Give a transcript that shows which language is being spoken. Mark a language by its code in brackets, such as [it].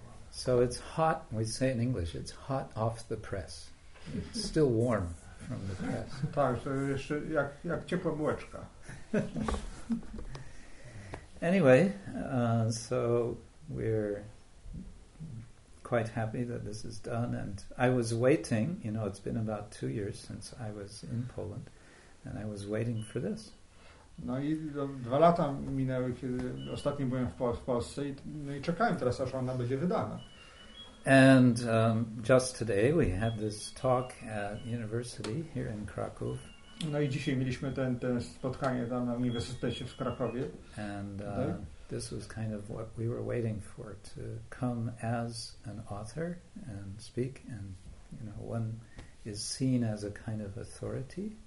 [en] So it's hot, we say in English, it's hot off the press. It's still warm from the press. [pl] Tak, to jeszcze jak ciepła bułeczka. [en] Anyway, so we're quite happy that this is done. And I was waiting, you know, it's been about 2 years since I was in Poland, and I was waiting for this. [pl] No i dwa lata minęły, kiedy ostatnio byłem w Polsce i, no i czekałem teraz, aż ona będzie wydana. [en] And just today we had this talk at university here in Krakow. [pl] No i dzisiaj mieliśmy ten spotkanie tam na Uniwersytecie w Krakowie. [en] And this was kind of what we were waiting for, to come as an author and speak, and you know, one is seen as a kind of authority.